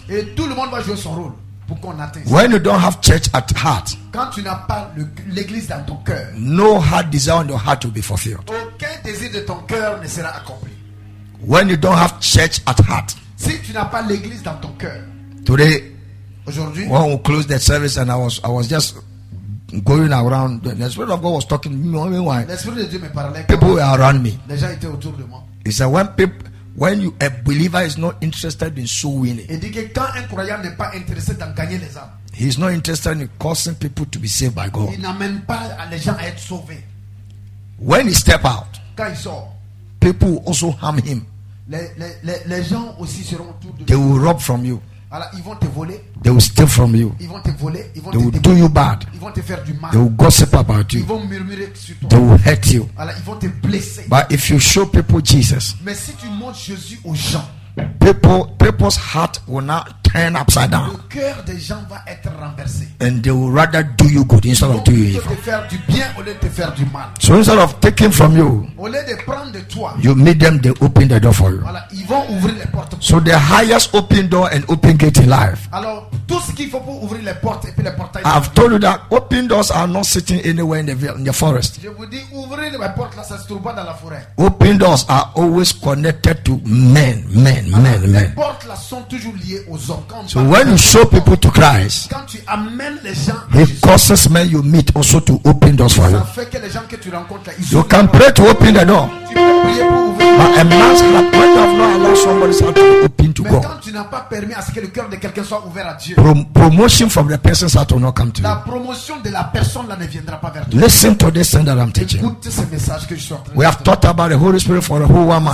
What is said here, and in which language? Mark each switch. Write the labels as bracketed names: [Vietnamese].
[French] Et tout le monde va jouer son rôle pour qu'on atteigne. [English] When you don't have church at heart, [French] quand tu n'as pas l'église dans ton cœur, [English] no heart desire in your heart will be fulfilled. [French] Aucun désir de ton cœur ne sera accompli. [English] When you don't have church at heart, [French] si tu n'as pas l'église dans ton cœur, [English] today, [French] aujourd'hui, [English] when we closed the service and I was just going around, the Spirit of God was talking to me. The Spirit of God was talking to me. People were around me. [French] Les gens étaient autour de moi. [English] He said, when a believer is not interested in soul winning, [French] il dit que quand un croyant n'est pas intéressé dans gagner les âmes, [English] he is not interested in causing people to be saved by God. [French] Il n'amène pas les gens à être sauvés. [English] When he step out, [French] quand il sort, [English] people also harm him. [French] Les gens aussi seront autour de [English] they [French] lui. [English] Will rob from you. [French] Alors, ils vont te voler. [English] They will steal from you. [French] Ils vont te voler. Ils vont [English] they [French] te [English] will do you bad. [French] Ils vont te faire du mal. [English] They will gossip about you. [French] Ils vont murmurer sur toi. [English] They will hurt you. [French] Alors, ils vont te blesser. [English] But if you show people Jesus, [French] mais si tu montres Jésus aux gens, [English] people's heart will not turn upside down. [French] Le cœur des gens va être renversé. [English] And they will rather do you good instead of do you evil. [French] Te faire du bien au lieu de te faire du mal. [English] So instead of taking from you, [French] au lieu de prendre de toi, [English] you meet them, they open the door for you. [French] Voilà, ils vont ouvrir les portes. [English] So the highest open door and open gate in life. [French] Alors, tout ce qu'il faut pour ouvrir les portes et puis les portails. [English] I've told you that open doors are not sitting anywhere in the forest. [French] Je vous dis, ouvrir les portes là, ça se trouve pas dans la forêt. [English] Open doors are always connected to men. [French] Les portes là sont toujours liées aux hommes. [English] So when you show people to Christ, [French] quand tu amènes les gens, [English] he causes men you meet also to open doors for you. [French] Ça fait que les gens que tu rencontres là, [English] you can pray to open the door. But a man's heart, when you have not allowed somebody's heart to be open to God, [French] quand tu n'as pas permis à ce que le cœur de quelqu'un soit ouvert à Dieu, [English] promotion from the person's heart will not come to you. [French] La promotion de la personne là ne viendra pas vers toi. [English] Listen to this thing that I'm teaching. [French] Écoute ce message que je suis en train de. [English] We have talked about the Holy Spirit for a whole 1 month.